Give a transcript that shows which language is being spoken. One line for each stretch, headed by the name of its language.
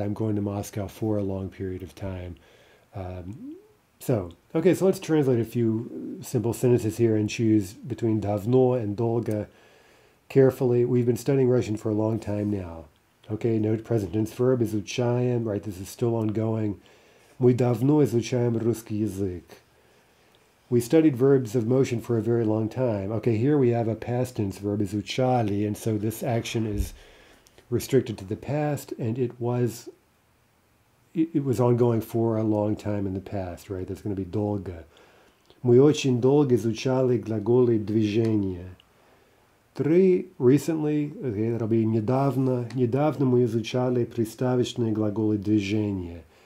English: I'm going to Moscow for a long period of time. So let's translate a few simple sentences here and choose between давно and долго carefully. We've been studying Russian for a long time now. Okay, note present tense verb изучаем, right? This is still ongoing.
Russian: Мы давно изучаем русский язык.
English: We studied verbs of motion for a very long time. Okay, here we have a past tense verb, изучали, and so this action is restricted to the past, and it was ongoing for a long time in the past, right? That's going to be долго.
Russian: Мы очень долго изучали глаголы движения.
English: Three, recently, okay, that'll be недавно.
Russian: Недавно мы изучали приставочные глаголы движения.